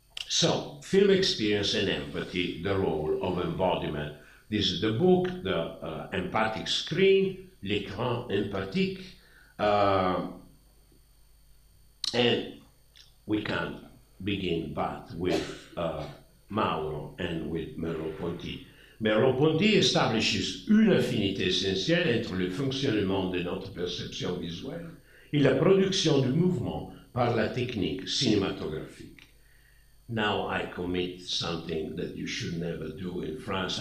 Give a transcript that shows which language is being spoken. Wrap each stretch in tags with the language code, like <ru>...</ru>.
<en>So, film experience and empathy, the role of embodiment. This is the book, The Empathic Screen, L'Écran Empathique, and we can begin but with Mauro and with Merleau-Ponty.</en> <fr>Merleau-Ponty</fr> <en>establishes</en> <fr>une affinité essentielle entre le fonctionnement de notre perception visuelle et la production du mouvement par la technique cinématographique.</fr> <en>Now I commit something that you should never do in France.</en>